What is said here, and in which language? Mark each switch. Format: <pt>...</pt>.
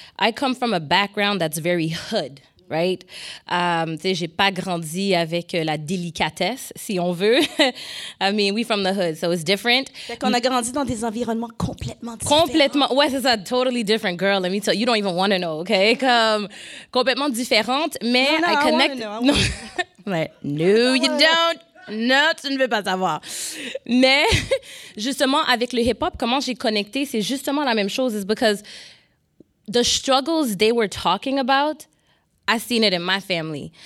<en>I come from a background that's very hood, right?</en> <fr>Tu sais, j'ai pas grandi avec la délicatesse, si on veut.</fr> <en>I mean, we from the hood, so it's different.</en> <fr>Fait qu'on a grandi dans des environnements complètement différents. Complètement, ouais, c'est ça,</fr> <en>totally different, girl. Let me tell you, you don't even want to know, okay?</en> <fr>Comme complètement différente, mais non, non,</fr> <en>I connect. Mais no, you don't.</en> <fr>Non, tu ne veux pas savoir. Mais justement, avec le hip-hop, comment j'ai connecté, c'est justement la même chose.</fr> <en>It's because the struggles they were talking about, I seen it in my family.</en>